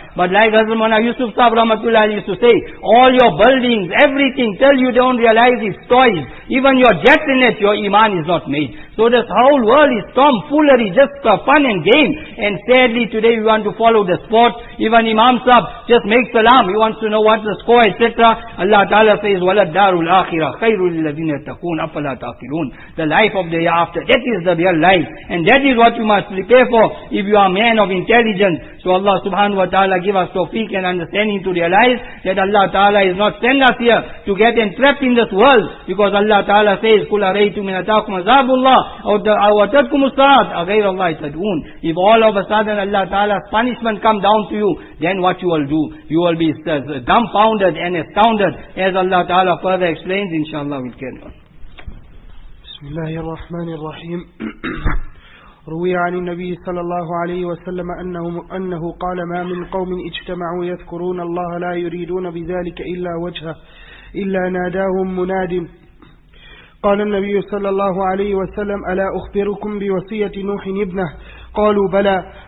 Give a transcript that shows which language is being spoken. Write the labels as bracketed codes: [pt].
[en] But like Hazrat Mawlana Yusuf Sahib Rahmatullah used to say, all your buildings, everything, till you don't realize it's toys. Even your jet in it, your iman is not made. So this whole world is tomfoolery, just for fun and game. And sadly today we want to follow the sport. Even Imam Sahib just makes salam, he wants to know what the score, etc. [ar] Allah Ta'ala says, وَلَدَّارُ الْآخِرَةِ خَيْرُ لِلَّذِينَ يَتَّقُونَ أَفَلَا تَعْقِلُونَ. [en] The life of the hereafter, that is the real life. And that is what you must prepare for if you are a man of intelligence. So Allah Subhanahu wa Ta'ala give us tawfiq and understanding to realize that Allah Ta'ala is not send us here to get entrapped in this world. [ar] Because Allah Ta'ala says, قُلْ أَرَيْتُ مِنْ أَتَاكُمْ عَذَابُ اللَّهِ أَوْ أَتَتْكُمُ السَّاعَةُ أَغَيْرَ اللَّهِ تَدْعُونَ. [en] If all of a sudden Allah Ta'ala's punishment come down to you, then what you will do? You will be dumbfounded and astounded, as Allah Ta'ala further explains, inshallah we'll carry on. [ar] Bismillahirrahmanirrahim. روي عن النبي صلى الله عليه وسلم أنه قال ما من قوم اجتمعوا يذكرون الله لا يريدون بذلك إلا وجهه إلا ناداهم مناد. قال النبي صلى الله عليه وسلم ألا أخبركم بوصية نوح ابنه؟ قالوا بلى.